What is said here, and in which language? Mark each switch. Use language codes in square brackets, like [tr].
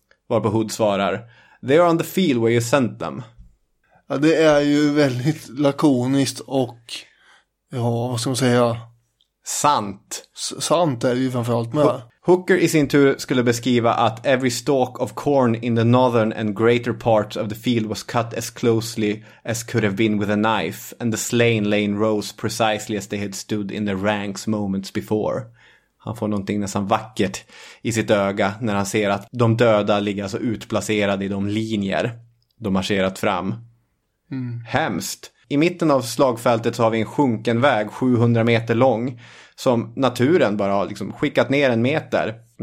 [sv] Varpå Hood svarar: [en] "They are on the field where you sent them." [sv] Ja, det är ju väldigt lakoniskt och, ja, vad ska man säga? Sant. Sant är det ju framförallt med. Hooker i sin tur skulle beskriva att [en] every stalk of corn in the northern and greater parts of the field was cut as closely as could have been with a knife, and the slain lay in rows precisely as they had stood in the ranks moments before. [sv] Han får någonting nästan vackert i sitt öga när han ser att de döda ligger så utplacerade i de linjer de marscherat fram. Mm. Hemskt. I mitten av slagfältet så har vi en sjunken väg 700 meter lång som naturen bara har liksom skickat ner en meter.